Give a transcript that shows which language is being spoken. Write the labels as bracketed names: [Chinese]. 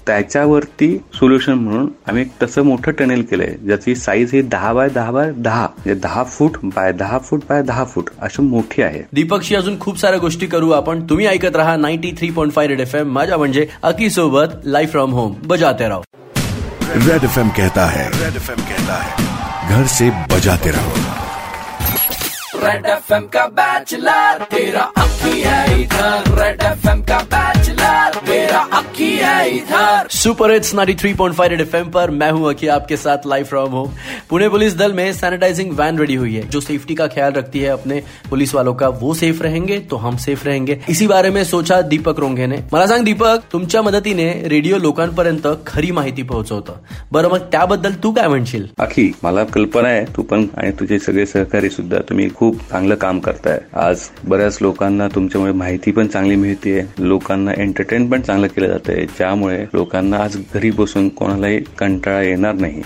[Marathi] त्याच्यावरती सोल्युशन म्हणून आम्ही तसं मोठं टनेल केलंय, ज्याची साईज ही 10x10x10, म्हणजे 10 फूट बाय 10 फूट बाय 10 फूट अशी मोठी आहे. दीपकशी अजून खूप साऱ्या गोष्टी करू आपण. तुम्ही ऐकत राहा 93.5 रेड एफ एम, माझ्या म्हणजे अकी सोबत लाइव्ह फ्रॉम होम. [Hindi] बजाते राहो रेड एफ एम, कहता है रेड एफ एम, कहता है घर से बजाते रहो. Red FM का बैचलर, तेरा अक्की है इधर. Red FM का बैचलर, तेरा अक्की है इधर. सुपर हिट्स 93.5 रेड एफएम पर मैं हूं अक्की, आपके साथ live from home. Pune police दल में सैनिटाइजिंग वैन रेडी हुई है, जो सेफ्टी का ख्याल रखती है अपने पुलिस वालों का. वो सेफ रहेंगे तो हम सेफ रहेंगे, इसी बारे में सोचा दीपक रोंगे ने. [Marathi] मला सांग दीपक, तुमच्या मदतीने रेडिओ लोकांपर्यंत खरी माहिती पोहोचवतं, बरं? मग त्याबद्दल तू काय म्हणशील? अक्की, मला कल्पना आहे, तू पण आणि तुझे सगळे सहकारी सुद्धा, तुम्ही खूप चांगलं काम करताय. आज बऱ्याच लोकांना तुमच्यामुळे माहिती पण चांगली मिळते, लोकांना एंटरटेन पण चांगलं केलं जातंय, ज्यामुळे लोकांना आज घरी बसून कोणालाही कंटाळा येणार नाही.